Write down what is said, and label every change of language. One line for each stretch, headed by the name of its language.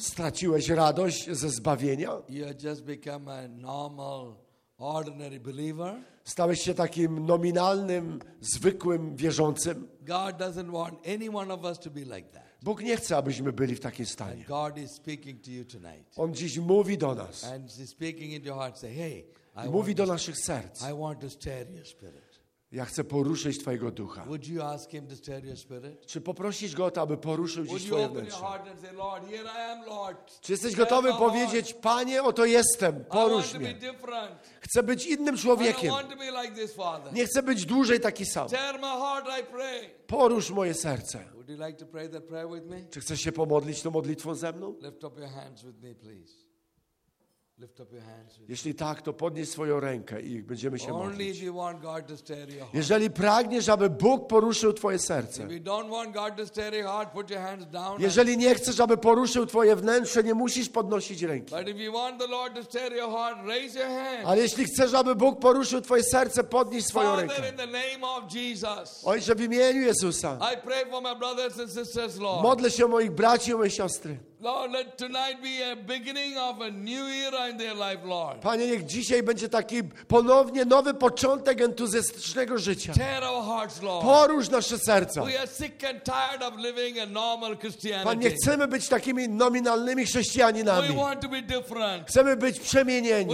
Polish: Straciłeś radość ze zbawienia?
English: You have just become a normal, ordinary believer.
Polish: Stałeś się takim nominalnym, zwykłym wierzącym?
English: God doesn't want any one of us to be like that.
Polish: Bóg nie chce, abyśmy byli w takim stanie.
English: And God is speaking to you tonight.
Polish: On dziś mówi do nas.
English: And he's speaking into your heart, say, hey,
Polish: I mówi do naszych serc.
English: I want to stir your spirit.
Polish: Ja chcę poruszyć Twojego ducha.
English: Would you ask him to stir your spirit?
Polish: Czy poprosisz Go o to, aby poruszył dziś Twoje wnętrze?
English: Would you open your heart and say, Lord, here I am, Lord.
Polish: Czy jesteś gotowy powiedzieć, Panie, oto jestem, porusz mnie.
English: I want to be different.
Polish: Chcę być innym człowiekiem.
English: I don't want to be like this, Father.
Polish: Nie chcę być dłużej taki sam.
English: Tear my heart, I pray.
Polish: Porusz moje serce.
English: Would you like to pray that prayer with me?
Polish: Czy chcesz się pomodlić tą modlitwą ze mną?
English: Lift up your hands with me, please. Lift up your hands.
Polish: Jeśli tak, to podnieś swoją rękę i będziemy się modlić.
English: Only if you want God to stir your heart.
Polish: Jeżeli pragniesz, aby Bóg poruszył twoje serce.
English: If you don't want God to stir your heart, put your hands down.
Polish: Jeżeli nie chcesz, aby poruszył twoje wnętrze, nie musisz podnosić ręki.
English: But if you want the Lord to stir your heart, raise your hands.
Polish: Ale jeśli chcesz, aby Bóg poruszył twoje serce, podnieś swoją rękę.
English: Father, in the name of Jesus.
Polish: Ojcze, w imieniu Jezusa.
English: I pray for my brothers and sisters, Lord.
Polish: Modlę się o moich braci i moje siostry.
English: Lord, let tonight be a beginning of a new era in their life, Lord.
Polish: Panie, niech dzisiaj będzie taki ponownie nowy początek entuzjastycznego życia.
English: Tear our hearts, Lord.
Polish: Porusz nasze serca.
English: We are sick and tired of living a normal Christianity.
Polish: Panie, nie chcemy być takimi nominalnymi chrześcijaninami.
English: We want to be different.
Polish: Chcemy być przemienieni.